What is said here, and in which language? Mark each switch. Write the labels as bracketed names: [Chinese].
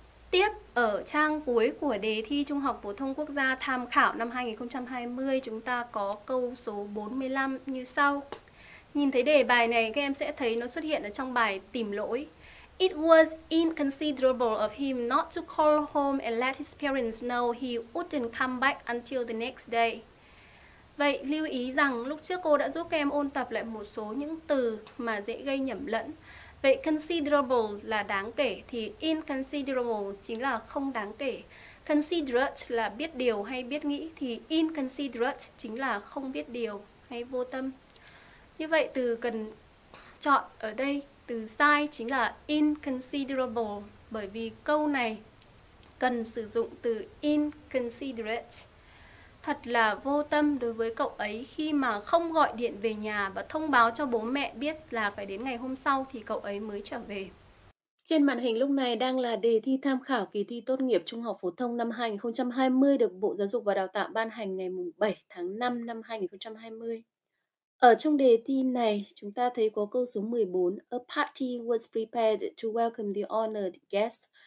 [Vietnamese] Tiếp ở trang cuối của đề thi Trung học phổ thông quốc gia tham khảo năm 2020, chúng ta có câu số 45 như sau. Nhìn thấy đề bài này, các em sẽ thấy nó xuất hiện ở trong bài tìm lỗi. [English] It was inconsiderable of him not to call home and let his parents know he wouldn't come back until the next day. [Vietnamese] Vậy lưu ý rằng lúc trước cô đã giúp các em ôn tập lại một số những từ mà dễ gây nhầm lẫn. Vậy considerable là đáng kể thì inconsiderable chính là không đáng kể. Considerate là biết điều hay biết nghĩ thì inconsiderate chính là không biết điều hay vô tâm. Như vậy từ cần chọn ở đây, từ sai chính là inconsiderable, bởi vì câu này cần sử dụng từ inconsiderate. Thật là vô tâm đối với cậu ấy khi mà không gọi điện về nhà và thông báo cho bố mẹ biết là phải đến ngày hôm sau thì cậu ấy mới trở về. Trên màn hình lúc này đang là đề thi tham khảo kỳ thi tốt nghiệp trung học phổ thông năm 2020 được Bộ Giáo dục và Đào tạo ban hành ngày 7 tháng 5 năm 2020. Ở trong đề thi này, chúng ta thấy có câu số 14. [English] A party was prepared to welcome the honored guest.